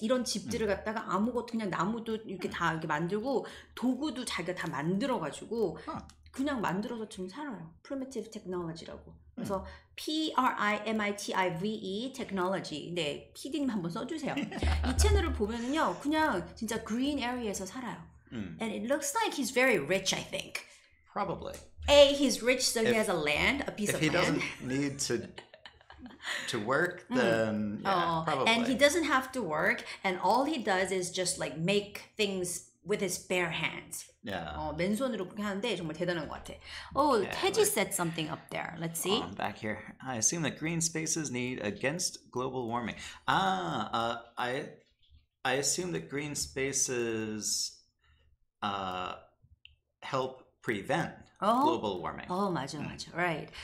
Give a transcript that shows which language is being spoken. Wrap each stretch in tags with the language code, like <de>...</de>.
<ko>이런 집들을 갖다가 아무것도 그냥 나무도 이렇게 다 이렇게 만들고 도구도 자기가 다 만들어 가지고 그냥 만들어서 좀 살아요.</ko> <en>Primitive technology라고. 그래서 PRIMITIVE technology.</en> <ko>네, 피디님 한번 써주세요. 이 채널을 보면은요, 그냥 진짜 green area에서 살아요.</ko> <en>And it looks like he's very rich, I think. Probably. A, he's rich, so he has a land, a piece of land. If he doesn't need to work, then probably. And he doesn't have to work, and all he does is just like make things with his bare hands. Yeah.</en> <ko>맨손으로 그렇게 하는데 정말 대단한 것 같아.</ko> <en>Oh, yeah, Teji said something up there. Let's see. I'm back here. I assume that green spaces need against global warming. Ah, I assume that green spaces help prevent global warming.</en> <ko>Oh, 맞아, 맞아. Right.</ko>